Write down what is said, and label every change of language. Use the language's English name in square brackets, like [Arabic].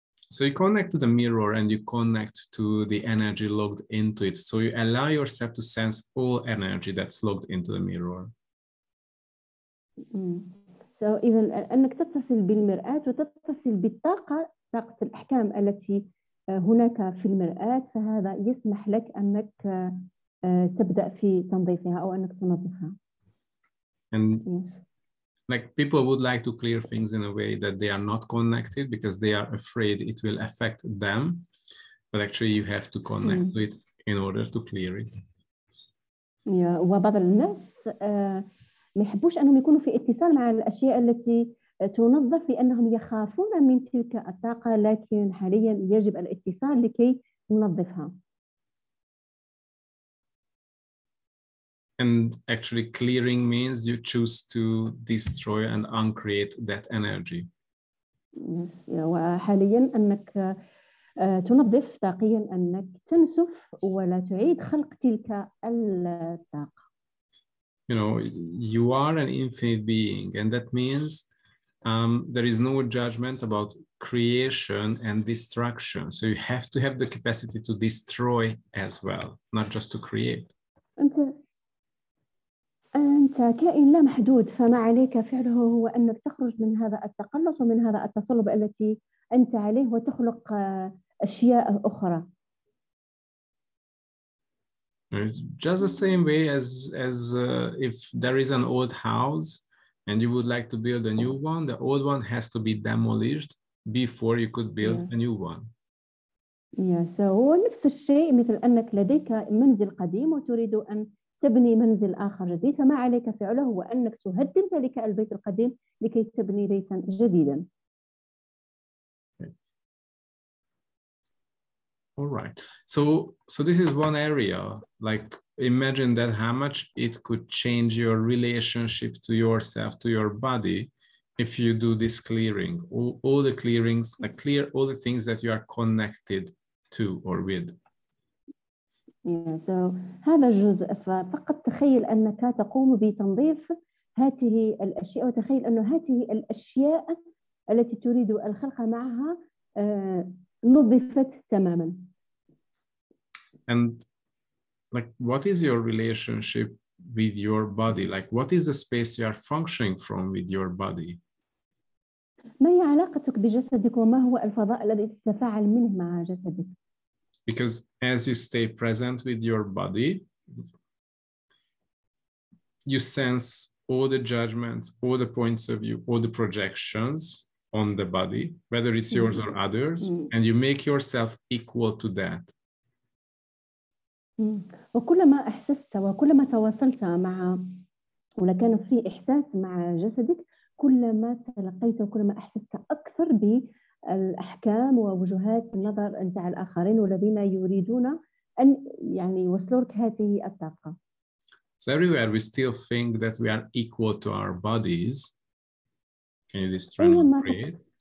[English] So you connect to the mirror and you connect to the energy logged into it. So you allow yourself to sense all energy that's logged into the mirror. So [Arabic] إذن أنك تتصل بالمرآة وتتصل بالطاقة طاقة الأحكام التي هناك في المرآة، فهذا يسمح لك أنك تبدأ في تنظيفها أو أنك تنظفها. [English] And like people would like to clear things in a way that they are not connected because they are afraid it will affect them, but actually you have to connect to it in order to clear it. Yeah. [Arabic] وبعض الناس ما يحبوش أنهم يكونوا في اتصال مع الأشياء التي تنظف لأنهم يخافون من تلك الطاقة، لكن حاليا يجب الاتصال لكي ننظفها. [English] And actually clearing means you choose to destroy and uncreate that energy. Yes. [Arabic] وحاليا أنك تنظف طاقيا أنك تنسف ولا تعيد خلق تلك الطاقة. [English] You know, you are an infinite being, and that means there is no judgment about creation and destruction. So you have to have the capacity to destroy as well, not just to create. [Arabic] أنت كائن لا محدود، فما عليك فعله هو أنك تخرج من هذا التقلص ومن هذا التصلب التي أنت عليه وتخلق أشياء أخرى. [English] It's just the same way as if there is an old house and you would like to build a new one, the old one has to be demolished before you could build a new one. Yeah, so [Arabic] نفس الشيء مثل أنك لديك منزل قديم وتريد أن تبني منزل آخر جديد، فما عليك فعله هو أنك تهدم ذلك البيت القديم لكي تبني بيتا جديدا. [English] All right. So this is one area. Like imagine that how much it could change your relationship to yourself, to your body, if you do this clearing. All the clearings, like clear all the things that you are connected to or with. Yeah, so [Arabic] هذا الجزء فقط تخيل أنك تقوم بتنظيف هاته الأشياء، وتخيل أنه هاته الأشياء التي تريد الخلق معها نظفت تماما. [English] And like, what is your relationship with your body? Like, what is the space you are functioning from with your body? [Arabic] ما هي علاقتك بجسدك وما هو الفضاء الذي تتفاعل منه مع جسدك؟ [English] Because as you stay present with your body, you sense all the judgments, all the points of view, all the projections on the body, whether it's yours or others, and you make yourself equal to that. [Arabic] وكلما أحسست وكلما تواصلت مع ولكان في إحساس مع جسدك، كلما تلقيت وكلما أحسست أكثر بالأحكام ووجهات النظر أنت على الآخرين والذين يريدون أن يعني يوصلوا لك هذه الطاقة. [English] So everywhere we still think that we are equal to our bodies. Can you just try and read?